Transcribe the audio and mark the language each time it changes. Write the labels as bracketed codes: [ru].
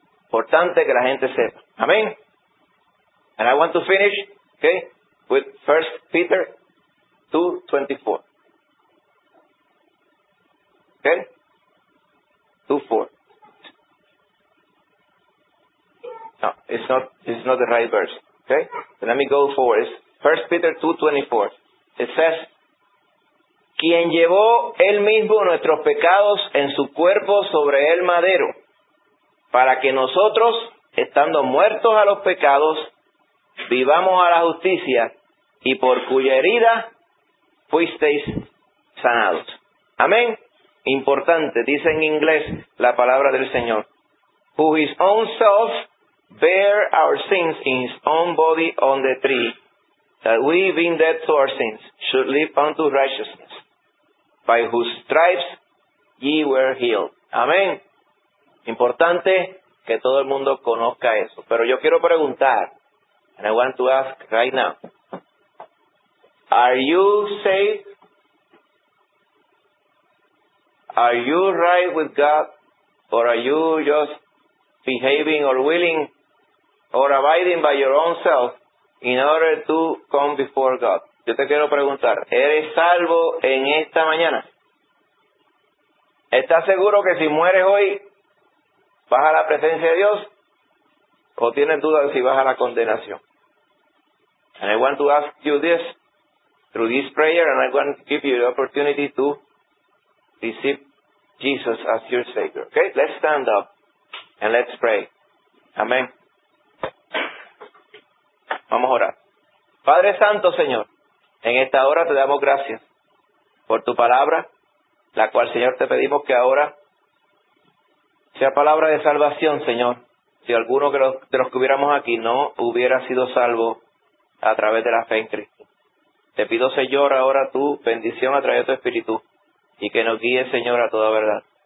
[es] Importante que la gente sepa. Amén. [en] And I want to finish, okay, with 1 Peter 2:24. Okay? 2:4. No, it's not the right verse. Okay? But let me go forward. It's 1 Peter 2:24. It says, [es] quien llevó él mismo nuestros pecados en su cuerpo sobre el madero, para que nosotros, estando muertos a los pecados, vivamos a la justicia, y por cuya herida fuisteis sanados. Amén. Importante, dice en inglés la palabra del Señor. [en] Who his own self bear our sins in his own body on the tree, that we being dead to our sins should live unto righteousness, by whose stripes ye were healed. [es] Amén. Importante que todo el mundo conozca eso. Pero yo quiero preguntar, [en] and I want to ask right now, are you saved? Are you right with God? Or are you just behaving or willing or abiding by your own self in order to come before God? [es] Yo te quiero preguntar, ¿eres salvo en esta mañana? ¿Estás seguro que si mueres hoy vas a la presencia de Dios? ¿O tienes dudas si vas a la condenación? [en] And I want to ask you this through this prayer, and I want to give you the opportunity to receive Jesus as your Savior. Okay, let's stand up and let's pray. Amen. [es] Vamos a orar. Padre Santo, Señor, en esta hora te damos gracias por tu palabra, la cual, Señor, te pedimos que ahora sea palabra de salvación, Señor. Si alguno de los que hubiéramos aquí no hubiera sido salvo a través de la fe en Cristo, te pido, Señor, ahora tu bendición a través de tu Espíritu y que nos guíe, Señor, a toda verdad.